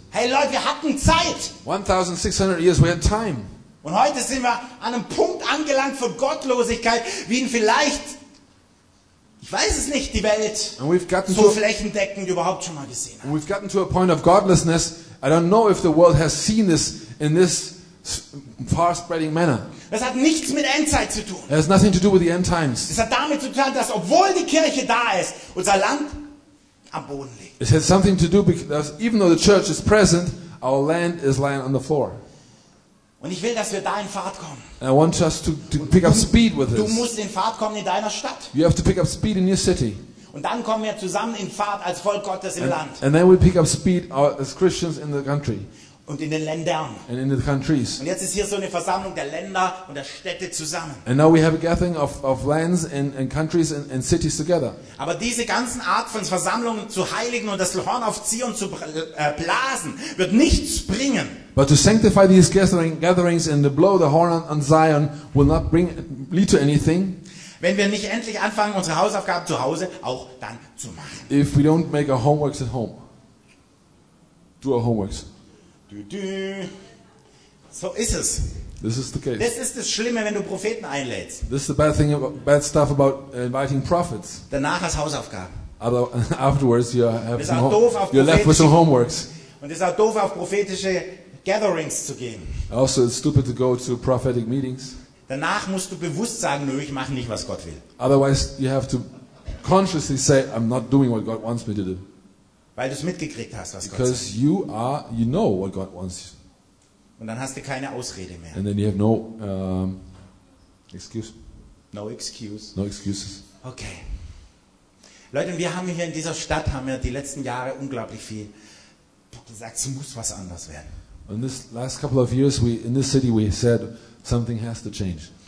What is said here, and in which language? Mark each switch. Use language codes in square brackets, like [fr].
[de] Hey Leute, wir hatten Zeit. [en] 1600 years, we had time. [de] Und heute sind wir an einem Punkt angelangt von Gottlosigkeit, wie ihn vielleicht, ich weiß es nicht, die Welt so flächendeckend überhaupt schon mal gesehen hat. [en] We've gotten to a point of godlessness. I don't know if the world has seen this in this far spreading manner. [de] Das hat nichts mit Endzeit zu tun. [en] It has nothing to do with the end times. [de] Es hat damit zu tun, dass obwohl die Kirche da ist, unser Land am Boden liegt. [en] It has something to do because even though the church is present, our land is lying on the floor. [de] Und ich will, dass wir da in Fahrt kommen. [en] And I want us to pick up speed with this. [de] Du musst in Fahrt kommen in deiner Stadt. [en] You have to pick up speed in your city. [de] Und dann kommen wir zusammen in Fahrt als Volk Gottes im Land. [en] And then we pick up speed as Christians in the country. [de] Und in den Ländern. [en] And in the countries. [de] Und jetzt ist hier so eine Versammlung der Länder und der Städte zusammen. [en] And now we have a gathering of lands and countries and cities together. [de] Aber diese ganzen Art von Versammlungen zu heiligen und das Horn auf Zion zu blasen wird nichts bringen. [en] But to sanctify these gatherings and to blow the horn on Zion will not lead to anything. [de] Wenn wir nicht endlich anfangen, unsere Hausaufgaben zu Hause auch dann zu machen. [en] If we don't make our homeworks at home. Do our homeworks. [de] So ist es. [en] This is the case. [de] Das ist das Schlimme, wenn du Propheten einlädst. [en] This is the bad thing, bad stuff about inviting prophets. [de] Danach hast Hausaufgaben. [en] Aber afterwards you have some homework. You're left with some homeworks. [de] Und es ist auch doof, auf prophetische Gatherings zu gehen. [en] Also, it's stupid to go to prophetic meetings. [de] Danach musst du bewusst sagen, nö, ich mache nicht, was Gott will. [en] Otherwise, you have to consciously say, I'm not doing what God wants me to do. [de] Weil du es mitgekriegt hast, was [en] Because [de] Gott sagt. [en] You are, you know what God wants. [de] Und dann hast du keine Ausrede mehr. [en] And then you have no excuse. No excuse. No excuses. Okay. [de] Leute, wir haben hier in dieser Stadt haben wir die letzten Jahre unglaublich viel gesagt, es muss was anders werden. [en] In this last couple of years we in this city we said something has to change.